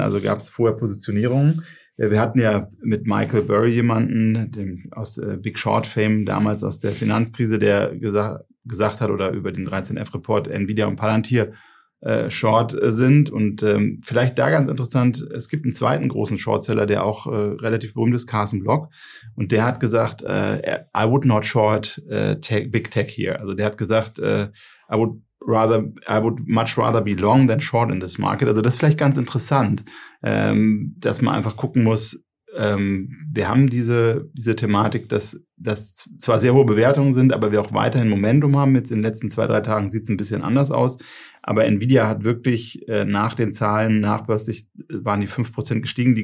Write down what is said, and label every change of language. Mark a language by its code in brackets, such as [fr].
[de] Also gab es vorher Positionierungen. Wir hatten ja mit Michael Burry jemanden, dem aus Big Short Fame, damals aus der Finanzkrise, der gesagt hat oder über den 13F-Report Nvidia und Palantir short sind. Und vielleicht da ganz interessant, es gibt einen zweiten großen Shortseller, der auch relativ berühmt ist, Carson Block. Und der hat gesagt, [en] I would not short Big Tech here. [de] Also der hat gesagt, [en] I would much rather be long than short in this market. [de] Also das ist vielleicht ganz interessant, dass man einfach gucken muss, wir haben diese Thematik, dass zwar sehr hohe Bewertungen sind, aber wir auch weiterhin Momentum haben. Jetzt in den letzten 2-3 Tagen sieht es ein bisschen anders aus. Aber Nvidia hat wirklich nach den Zahlen nachbörslich waren die 5% gestiegen.